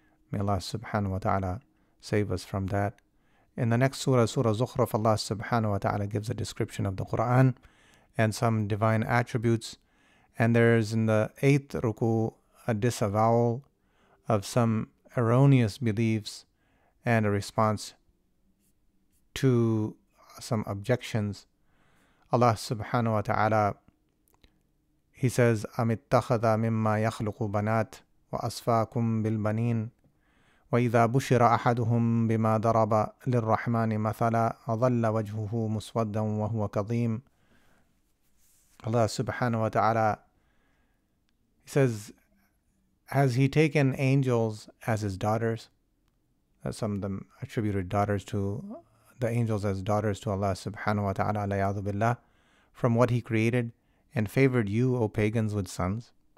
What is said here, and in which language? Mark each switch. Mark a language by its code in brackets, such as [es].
[en] May Allah subhanahu wa ta'ala save us from that. In the next surah, Surah Zukhruf, Allah subhanahu wa ta'ala gives a description of the Qur'an and some divine attributes. And there is in the 8th ruku a disavowal of some erroneous beliefs and a response to some objections. Allah subhanahu wa ta'ala, He says, [ar] أَمِتَّخَذَ مِمَّا يَخْلُقُ بَنَاتِ وَأَصْفَاكُمْ بِالْبَنِينَ وَإِذَا بُشِرَ أَحَدُهُمْ بِمَا ضَرَبَ لِلرَّحْمَنِ مَثَلًا أَظَلَّ وَجْهُهُ مُسْوَدًّا وَهُوَ كَظِيمٌ. [en] Allah subhanahu wa ta'ala, He says, has He taken angels as His daughters? Some of them attributed daughters to the angels as daughters to Allah subhanahu wa ta'ala, alayyadu billah, from what He created and favored you, O pagans, with sons.